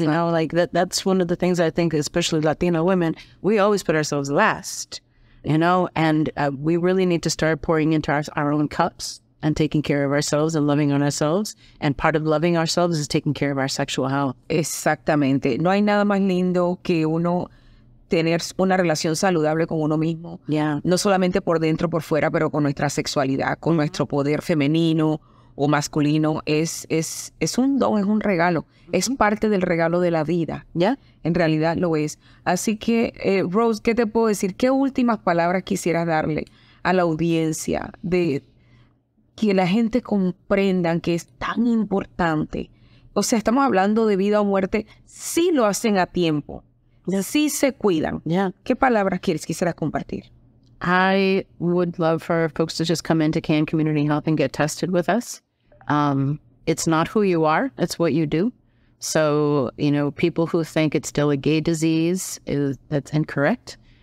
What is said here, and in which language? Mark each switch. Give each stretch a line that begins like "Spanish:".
English: You know, like that's one of the things I think, especially Latino women, we always put ourselves last, you know, and we really need to start pouring into our own cups and taking care of ourselves and loving on ourselves. And part of loving ourselves is taking care of our sexual health.
Spanish: Exactamente. No hay nada más lindo que uno tener una relación saludable con uno mismo.
English: Yeah.
Spanish: No solamente por dentro, por fuera, pero con nuestra sexualidad, con nuestro poder femenino o masculino. Es un don, es un regalo. Mm-hmm. Es parte del regalo de la vida.
English: Yeah.
Spanish: En realidad lo es. Así que, Rose, ¿qué te puedo decir? ¿Qué últimas palabras quisieras darle a la audiencia de que la gente comprendan que es tan importante? O sea, estamos hablando de vida o muerte, si lo hacen a tiempo. Sí se cuidan.
English: Yeah.
Spanish: ¿Qué palabras quisieras compartir?
English: I would love for folks to just come into CAN Community Health and get tested with us. It's not who you are, it's what you do. So, you know, people who think it's still a gay disease, that's incorrect.